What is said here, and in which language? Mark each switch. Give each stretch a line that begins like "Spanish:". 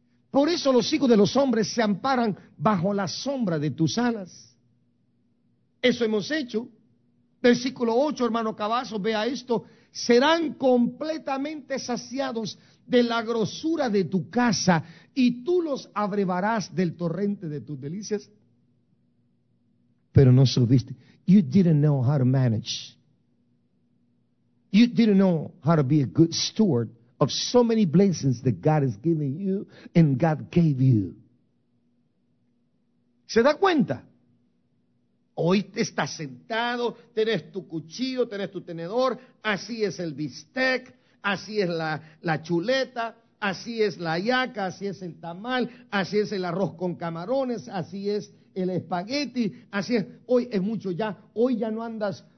Spanish: Por eso los hijos de los hombres se amparan bajo la sombra de tus alas. Eso hemos hecho. Versículo 8, hermano Cavazos, vea esto. Serán completamente saciados de la grosura de tu casa y tú los abrevarás del torrente de tus delicias. Pero no supiste.
English: You didn't know how to manage. You didn't know how to be a good steward of so many blessings that God has given you and God gave you.
Spanish: ¿Se da cuenta? Hoy estás sentado, tenés tu cuchillo, tenés tu tenedor, así es el bistec, así es la chuleta, así es la hallaca, así es el tamal, así es el arroz con camarones, así es el espagueti, así es, hoy es mucho ya, hoy ya no andas